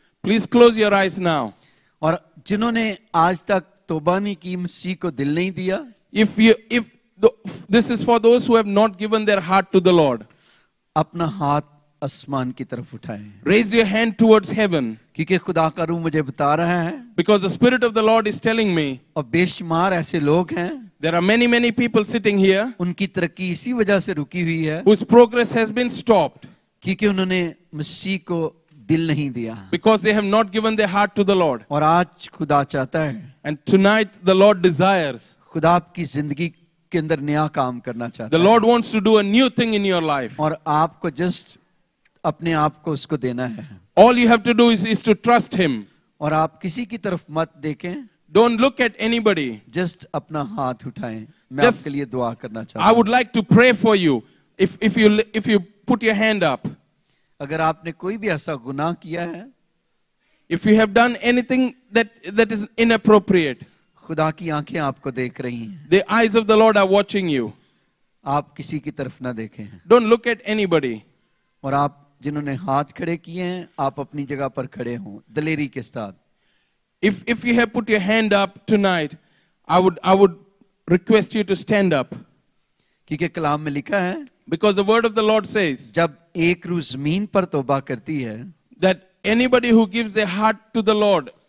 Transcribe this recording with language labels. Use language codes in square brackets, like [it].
[en] please close your eyes now [hi] और जिन्होंने आज तक तौबा नहीं की मसीह को दिल नहीं दिया [en] this is for those who have not given their heart to the Lord. [hi] अपना हाथ आसमान की तरफ उठाएं. [en] Raise your hand towards heaven. [hi] क्योंकि खुदा का रूह मुझे बता रहा है. [en] Because the spirit of the Lord is telling me. [hi] और बेशुमार ऐसे लोग हैं. [en] There are many many people sitting here. [hi] उनकी तरक्की इसी वजह से रुकी हुई है. [en] Whose progress has been stopped. [hi] क्योंकि उन्होंने मसीह को दिल नहीं दिया. [en] Because they have not given their heart to the Lord. [hi] और आज खुदा चाहता है. [en] And tonight the Lord desires. [hi] खुदा आपकी जिंदगी के अंदर नया काम करना चाहता है। [en] The Lord wants to do a new thing in your life. [hi] और आपको जस्ट अपने आप को उसको देना है। [en] All you have to do is to trust Him. [hi] और आप किसी की तरफ मत देखें। [en] Don't look at anybody. [hi] Just अपना हाथ उठाएं। मैं आपके लिए दुआ करना चाहता हूँ। [en] I would like to pray for you. If you put your hand up. [hi] अगर आपने कोई भी ऐसा गुनाह किया है। [en] If you have done anything that is inappropriate. [hi] खुदा की आंखें आपको देख रही हैं। [en] The eyes of the Lord are watching you. [hi] आप किसी की तरफ ना देखें। [en] Don't look at anybody. [hi] और आप जिन्होंने हाथ खड़े किए हैं, आप अपनी जगह पर खड़े हों, दलेरी के साथ। [en] If you have put your hand up tonight, I would request you to stand up. [hi] क्योंकि कलाम में लिखा है। [en] Because the word of the Lord says. [hi] जब एक रूह ज़मीन पर तौबा करती है। [en] That anybody who gives their heart to the Lord.